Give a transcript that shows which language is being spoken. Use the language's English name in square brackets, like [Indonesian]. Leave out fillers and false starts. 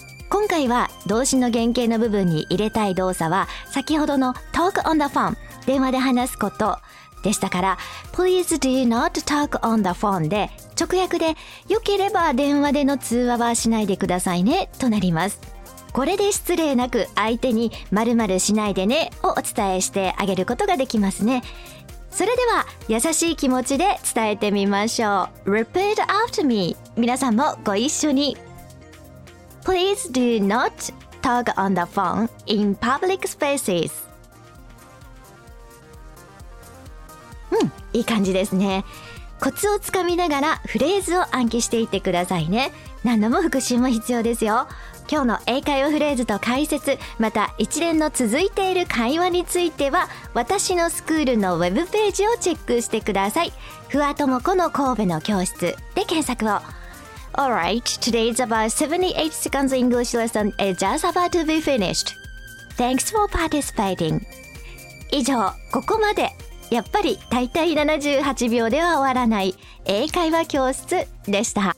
[Japanese] 今回は動詞の原型の部分に入れたい動作は先ほどの [English] Talk on the phone [Japanese] 電話で話すことでしたから、 [English] Please do not talk on the phone [Japanese] で直訳で良ければ電話での通話はしないでくださいねとなります。これで失礼なく相手に〇〇しないでねをお伝えしてあげることができますね。それでは優しい気持ちで伝えてみましょう。 [English] Repeat after me。 [Japanese] 皆さんもご一緒に。 [English] Please do not talk on the phone in public spaces。 [Japanese] うん、いい感じですね。コツをつかみながらフレーズを暗記していってくださいね。何度も復習も必要ですよ。今日の英会話フレーズと解説、また一連の続いている会話については私のスクールのウェブページをチェックしてください。ふわともこの神戸の教室で検索を。 [English] Alright, today is about 78 seconds English lesson is just about to be finished. Thanks for participating. [Japanese] 以上、ここまで。やっぱり大体78秒では終わらない英会話教室でした。